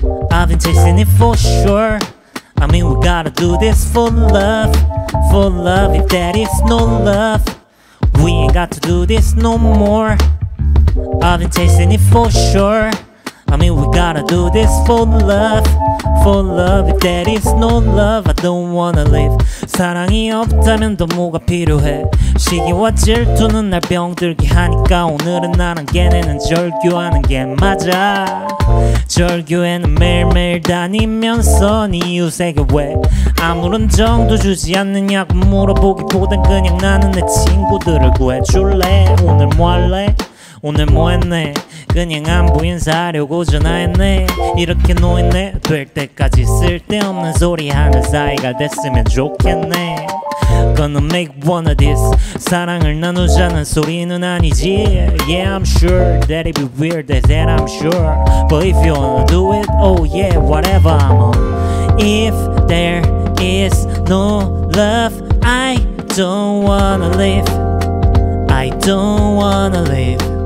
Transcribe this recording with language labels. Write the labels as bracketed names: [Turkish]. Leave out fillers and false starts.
[English] I've been chasing it for sure. I mean, we gotta do this for love, for love. If there is no love, we got to do this no more. I've been chasing it for sure. I mean, we gotta do this for love, if there is no love, I don't wanna live. [Korean] 사랑이 없다면 더 뭐가 필요해. 시기와 질투는 날 병들게 하니까 오늘은 나랑 걔네는 절규하는 게 맞아. 절규에는 매일매일 다니면서 네 이웃에게 왜 아무런 정도 주지 않느냐고 물어보기보단 그냥 나는 내 친구들을 구해줄래. 오늘 뭐 할래? 오늘 뭐 했네? 그냥 안부 인사하려고 전화했네. 이렇게 놓였네. 될 때까지 쓸데없는 소리 하는 사이가 됐으면 좋겠네. [English] Gonna make one of this. [Korean] 사랑을 나누자는 소리는 아니지. [English] Yeah, I'm sure that it'd be weird as that, I'm sure. But if you wanna do it, oh yeah, whatever, I'm on. If there is no love, I don't wanna live. I don't wanna live.